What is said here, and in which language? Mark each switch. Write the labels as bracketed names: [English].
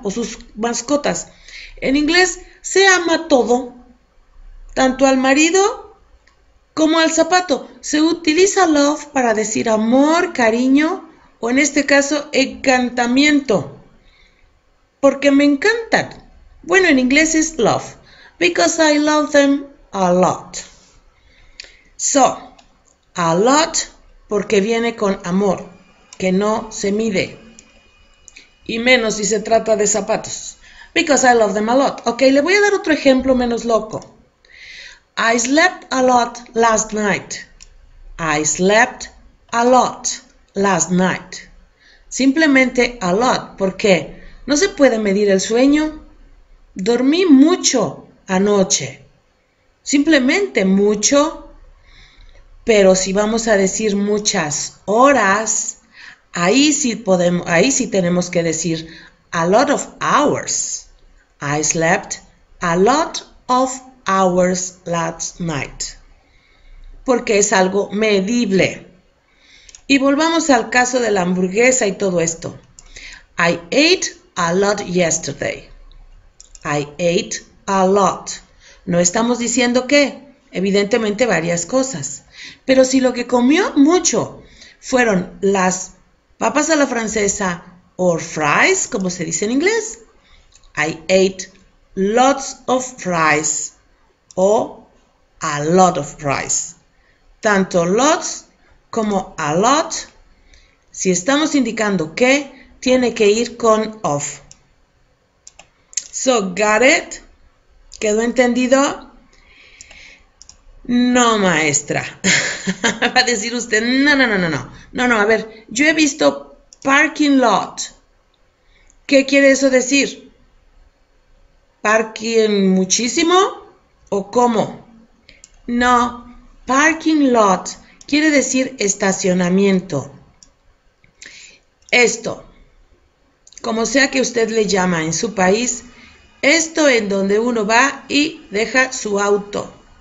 [Spanish] O sus mascotas. En inglés se ama todo, tanto al marido como al zapato. Se utiliza love para decir amor, cariño o en este caso encantamiento. Porque me encantan. Bueno, en inglés es love. [English] Because I love them a lot. So, a lot [Spanish] porque viene con amor. Que no se mide. Y menos si se trata de zapatos. [English] Because I love them a lot. [Spanish] Ok, le voy a dar otro ejemplo menos loco. [English] I slept a lot last night. I slept a lot last night. [Spanish] Simplemente a lot. Porque no se puede medir el sueño. Dormí mucho anoche. Simplemente mucho. Pero si vamos a decir muchas horas. Ahí sí podemos, ahí sí tenemos que decir a lot of hours. [English] I slept a lot of hours last night. [Spanish] Porque es algo medible. Y volvamos al caso de la hamburguesa y todo esto. [English] I ate a lot yesterday. I ate a lot. [Spanish] No estamos diciendo qué. Evidentemente varias cosas. Pero si lo que comió mucho fueron las papas a la francesa, or fries, como se dice en inglés. [English] I ate lots of fries, o A lot of rice. [Spanish] Tanto lots como a lot, si estamos indicando que, tiene que ir con of. [English] So, got it? [Spanish] ¿Quedó entendido? No, maestra. Va a decir usted, no, no, no, no, no. No, no, a ver, yo he visto parking lot. ¿Qué quiere eso decir? ¿Parking muchísimo o cómo? No, parking lot quiere decir estacionamiento. Esto, como sea que usted le llama en su país, esto en donde uno va y deja su auto.